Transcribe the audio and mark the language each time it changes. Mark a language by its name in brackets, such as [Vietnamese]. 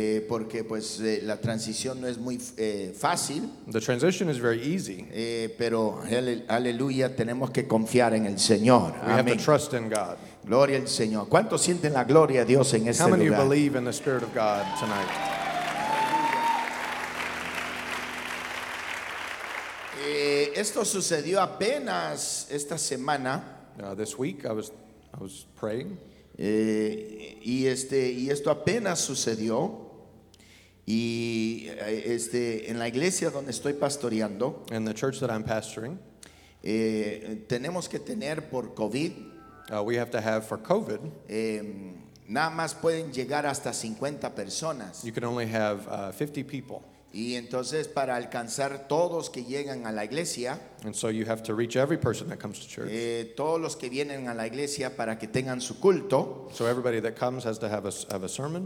[Spanish] Porque pues la transición no es muy fácil. [English] The transition is very easy. [Spanish] Pero aleluya, tenemos que confiar en el Señor. [English] We have to trust in God. [Spanish] Gloria al Señor. ¿Cuántos sienten la gloria de Dios en este lugar? [English] How many of you believe in the Spirit of God tonight? [Spanish] Esto sucedió apenas esta semana. [English] This week I was praying. [Spanish] Y esto apenas sucedió. Y en la iglesia donde estoy pastoreando. [English] In the church that I'm pastoring. [Spanish] Tenemos que tener por COVID. [English] We have to have for COVID. [Spanish] Nada más pueden llegar hasta 50 personas. [English] You can only have 50 people. [Spanish] Y entonces para alcanzar todos que llegan a la iglesia. [English] And so you have to reach every person that comes to church. [Spanish] Todos los que vienen a la iglesia para que tengan su culto. [English] So everybody that comes has to have a sermon.